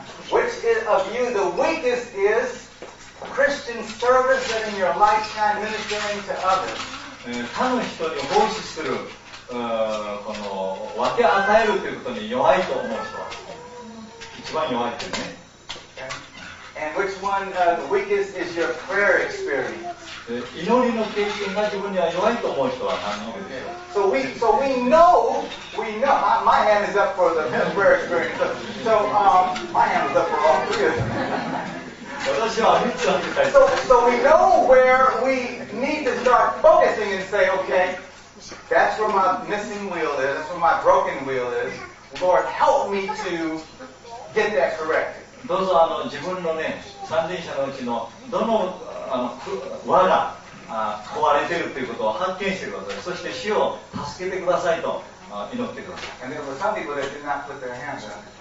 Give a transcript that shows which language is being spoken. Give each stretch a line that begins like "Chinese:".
English: Which is of you the weakest is Christian service and in your lifetime ministering to others?
Japanese: 他の人に奉仕する、この分け与えるということに弱いと思う人は一番弱いというね。
English: And which one, the weakest is your prayer experience?
Japanese: 祈りの経験が自分には弱いと思う人は何人でしょう。
English: So we know, my hand is up for the prayer experience. So, my hand is up for all three of them. So we know where we need to start focusing and say, okay, that's where my missing wheel is, that's where my broken wheel is. Lord, help me to get that corrected.
Japanese: どうぞ自分のね、三輪車のうちのどの輪が壊れているということを発見してください。そして主を助けてくださいと祈ってください。
English: And there were some people that did not put their hands up.